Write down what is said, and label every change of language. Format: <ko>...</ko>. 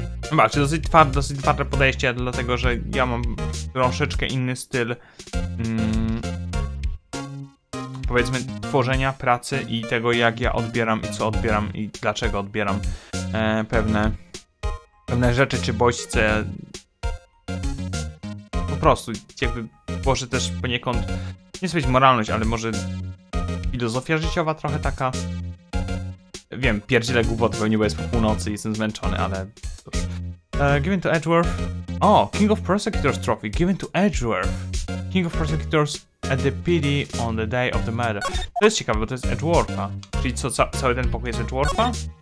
<pl>Zobaczcie, dosyć twarde podejście, dlatego że ja mam troszeczkę inny styl powiedzmy tworzenia, pracy i tego, jak ja odbieram i co odbieram i dlaczego odbieram pewne rzeczy czy bodźce. Po prostu, jakby może też poniekąd, nie chcę powiedzieć moralność, ale może filozofia życiowa trochę taka. Wiem, pierdzielę głupot, pewnie bo jest po północy i jestem zmęczony, ale cóż.</pl> <en>Given to Edgeworth. O, oh, King of Prosecutors Trophy. Given to Edgeworth. King of Prosecutors at the PD on the day of the murder.</en> <pl>To jest ciekawe, bo to jest Edgeworth'a. Czyli co, cały ten pokój jest Edgeworth'a?</pl>